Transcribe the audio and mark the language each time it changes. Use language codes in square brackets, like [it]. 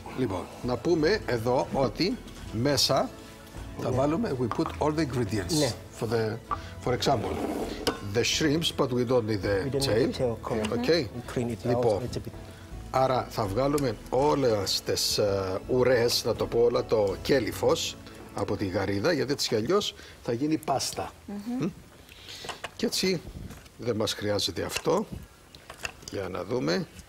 [el] Λοιπόν, να πούμε εδώ ότι μέσα θα βάλουμε, [en] we put all the ingredients. [el] Ναι. [en] For example, the shrimps, but we don't need the tail. Need the tail. Okay. Clean it out. [el] Άρα θα βγάλουμε όλες τις ουρές, να το πω όλα, το κέλυφος από τη γαρίδα, γιατί έτσι κι αλλιώς θα γίνει πάστα. Και έτσι δεν μας χρειάζεται αυτό. Για να δούμε.